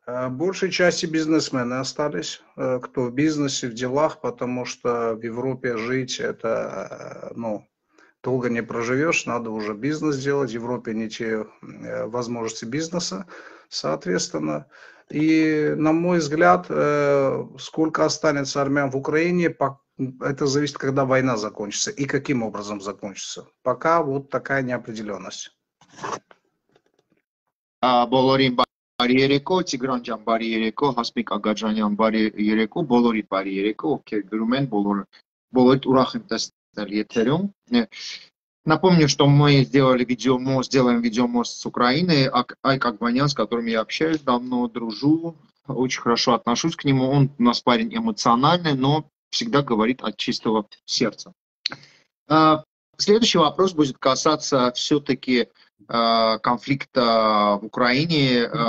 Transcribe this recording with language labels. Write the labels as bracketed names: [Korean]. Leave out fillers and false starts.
[Russian] Большей части бизнесмены остались, кто в бизнесе, в делах, потому что в Европе жить это, ну, долго не проживешь, надо уже бизнес делать, в Европе не те возможности бизнеса, соответственно. И, на мой взгляд, сколько останется армян в Украине, это зависит, когда война закончится и каким образом закончится. Пока вот такая неопределенность. [Armenian] Բարիերեկո, Տիգրան ջան, բարիերեկո, Հասմիկ Ագաջանյան, բարիերեկո, բոլորի բարիերեկո, ովքեր գրում են, բոլորիդ ուրախ եմ տեսնել եթերում. [Russian] Напомню, что мы сделали видеомост, делаем видеомост с Украиной, Айк Агванян, с которым я общаюсь, давно дружу, очень хорошо отношусь к нему, он у нас парень эмоциональный, но всегда говорит от чистого сердца. Следующий вопрос будет касаться все-таки конфликта в Украине.